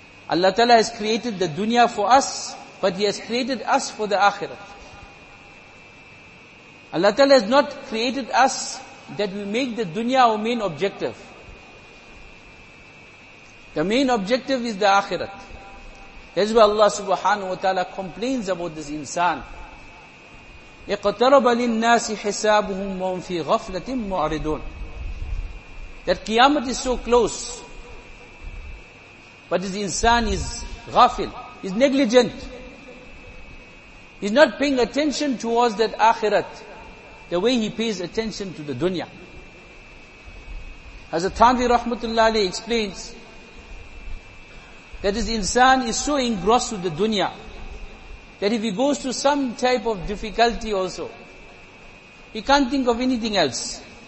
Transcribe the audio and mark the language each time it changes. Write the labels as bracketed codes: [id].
[en] Allah Ta'ala has created the dunya for us, but He has created us for the akhirat. Allah Ta'ala has not created us that we make the dunya our main objective. The main objective is the akhirat. That's why Allah subhanahu wa ta'ala complains about this insan. [ar] اِقْتَرَبَ لِلنَّاسِ حِسَابُهُمْ وَهُمْ فِي غَفْلَةٍ مُعْرِضُونَ [en] That Qiyamah is so close. But this insan is ghafil, is negligent. He's not paying attention towards that akhirat the way he pays attention to the dunya. Hazrat Thani rahmatullah alayhi explains that this insan is so engrossed with the dunya that if he goes to some type of difficulty also, he can't think of anything else.